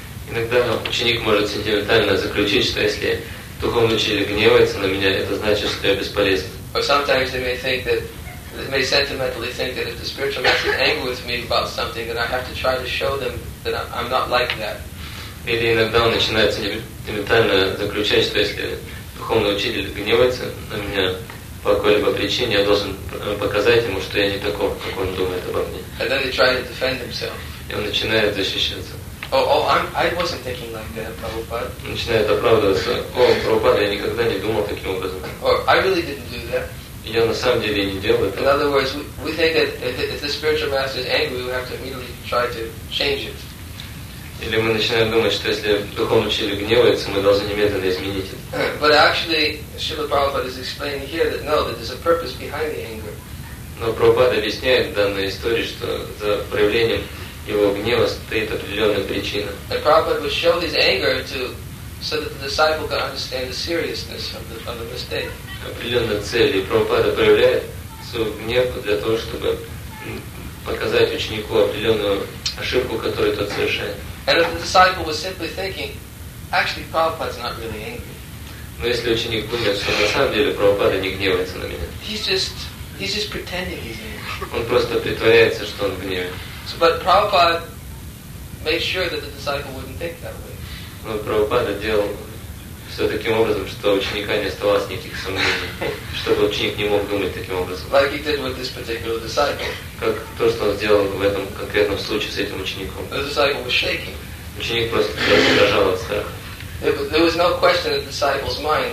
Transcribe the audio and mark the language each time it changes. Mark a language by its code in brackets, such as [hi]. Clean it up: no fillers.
[ru] Иногда ученик может сентиментально заключить, что если духовный учитель гневается на меня, это значит, что я бесполезен. [en] Or sometimes they may sentimentally think that if the spiritual master is angry with me about something, then I have to try to show them that I'm not like that. [ru] Или иногда он начинает сентиментально заключать, что если духовный учитель гневается на меня по какой-либо причине, я должен показать ему, что я не такой, как он думает обо мне. [en] And then they try to defend himself. [ru] И он начинает защищаться. [en] I wasn't thinking like that, Prabhupada. [ru] Начинает оправдываться. О, Прабхупада, я никогда не думал таким образом. [en] Or I really didn't do that. [ru] Я на самом деле не делал это. [en] In other words, we think that if the spiritual master is angry, we have to immediately try to change it. [ru] Или мы начинаем думать, что если духовный учитель гневается, мы должны немедленно изменить это. [en] But actually, Srila Prabhupada is explaining here that no, that there's a purpose behind the anger. [ru] Но Прабхупада объясняет в данной истории, что за проявлением его гнева стоит определенная причина. [en] And Prabhupada would show his anger so that the disciple could understand the seriousness of the mistake. [ru] Определенная цель. И Прабхупада проявляет свой гнев для того, чтобы показать ученику определенную ошибку, которую тот совершает. [en] And if the disciple was simply thinking, actually, Prabhupada's not really angry. [ru] Но если ученик думает, что на самом деле Прабхупада не гневается на меня. [en] He's just pretending he's angry. [ru] Он просто притворяется, что он гневен. [en] So, but Prabhupada made sure that the disciple wouldn't think that way. [ru] Но Прабхупада делал все таким образом, что ученика не оставалось никаких сомнений, чтобы ученик не мог думать таким образом. [en] Like he did with this particular disciple. [ru] Как то, что он сделал в этом конкретном случае с этим учеником. [en] The disciple was shaking. [ru] Ученик просто дрожал от страха. [en] There was no question in the disciple's mind.